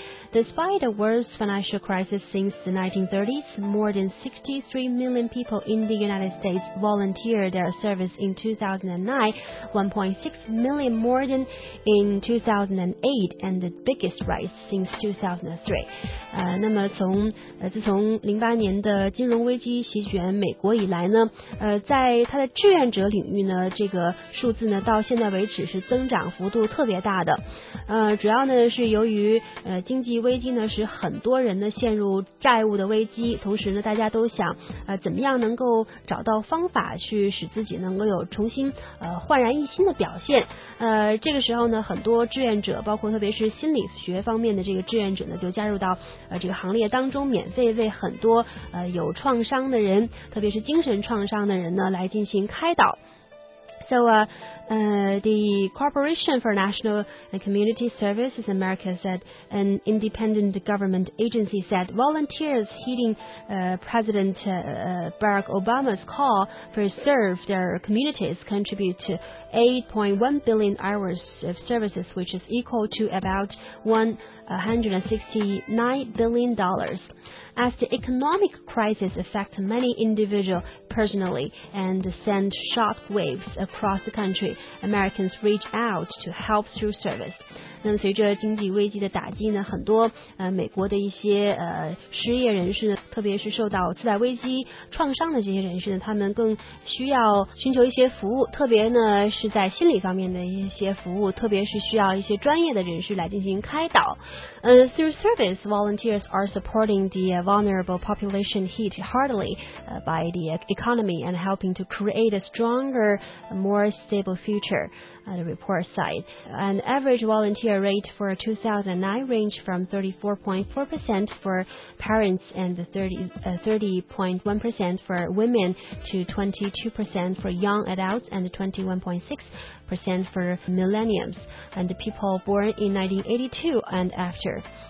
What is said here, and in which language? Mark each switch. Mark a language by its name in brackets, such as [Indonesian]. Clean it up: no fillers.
[English] Despite the worst financial crisis since the 1930s, more than 63 million people in the United States volunteered their service in 2009, 1.6 million more than in 2008, and the biggest rise since 2003. [Chinese] 自从08年的金融危机席卷美国以来呢，在它的志愿者领域呢，这个数字呢到现在为止是增长幅度特别大的，主要呢是由于经济危机呢使很多人呢陷入债务的危机，同时呢大家都想怎么样能够找到方法去使自己能够有重新焕然一新的表现，这个时候呢很多志愿者包括特别是心理学方面的这个志愿者呢就加入到这个行列当中，免费为很多有创伤的人，特别是精神创伤的人呢，来进行开导。 [English] So, the Corporation for National and Community Services America said, an independent government agency said, volunteers heeding President Barack Obama's call to serve their communities contribute to 8.1 billion hours of services, which is equal to about $169 billion. As the economic crisis affects many individuals personally and sends shockwaves across the country, Americans reach out to help through service. [Chinese] 那么随着经济危机的打击呢，很多美国的一些失业人士呢，特别是受到次贷危机创伤的这些人士呢，他们更需要寻求一些服务，特别呢是在心理方面的一些服务，特别是需要一些专业的人士来进行开导。 [English] Through service, volunteers are supporting the vulnerable population hit heartily by the economy and helping to create a stronger, more stable future, the report said. An average volunteer rate for 2009 ranged from 34.4% for parents and 30.1% for women to 22% for young adults and 21.6% for millennials and people born in 1982 and after.